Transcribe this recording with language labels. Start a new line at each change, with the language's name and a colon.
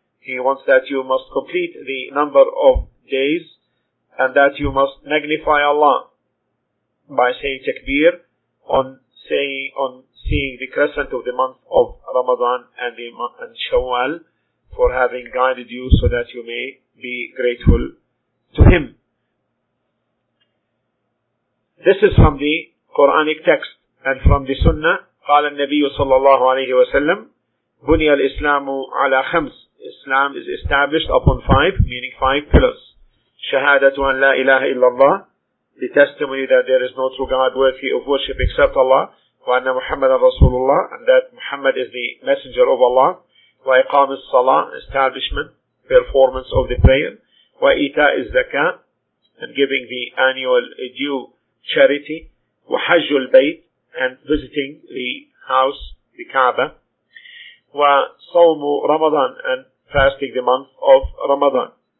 English: He wants that you must complete the number of days and that you must magnify Allah by saying takbir on seeing the crescent of the month of Ramadan and the month and Shawwal, for having guided you so that you may be grateful to him. This is from the Quranic text and from the Sunnah.
Arabic: قال النبي صلى الله عليه وسلم بني الإسلام على خمس.
English: Islam is established upon five pillars.
Arabic: Shahadatu an la ilaha illallah,
English: the testimony that there is no true God worthy of worship except Allah,
Arabic: wa anna Muhammadan Rasulullah,
English: and that Muhammad is the messenger of Allah,
Arabic: wa iqam as-salah,
English: establishment, performance of the prayer,
Arabic: wa ita az-zakah,
English: and giving the annual due charity,
Arabic: wa hajj al-bayt,
English: and visiting the house, the Kaaba,
Arabic: wa sawmu Ramadan,
English: and fasting the month of Ramadan.